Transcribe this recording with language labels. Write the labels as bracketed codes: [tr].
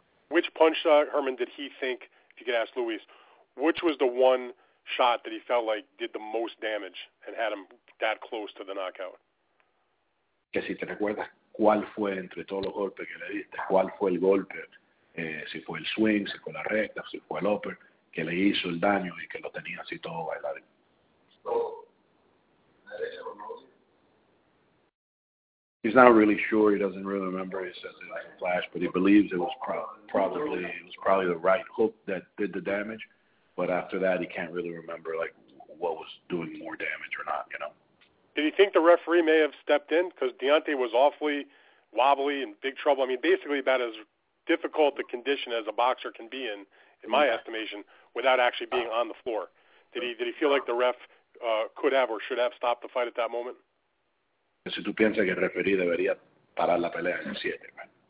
[en] Which punch, Herman, did he think, if you could ask Luis, which was the one shot that he felt like did the most damage and had him that close to the knockout? [es] Que si te recuerdas cuál fue entre todos los golpes que le diste, cuál fue el golpe, si fue el swing, si fue la recta, si fue el upper, que le hizo el daño y que lo tenía así todo bailado. Todo. [en] He's not really sure. He doesn't really remember. He says it was a flash, but he believes it was probably the right hook that did the damage. But after that, he can't really remember, like, what was doing more damage or not, you know? Did he think the referee may have stepped in? Because Deontay was awfully wobbly and big trouble. I mean, basically about as difficult a condition as a boxer can be in my estimation, without actually being on the floor. Did he feel like the ref could have or should have stopped the fight at that moment? [es] Si tú piensas que el referee debería parar la pelea en 7, man.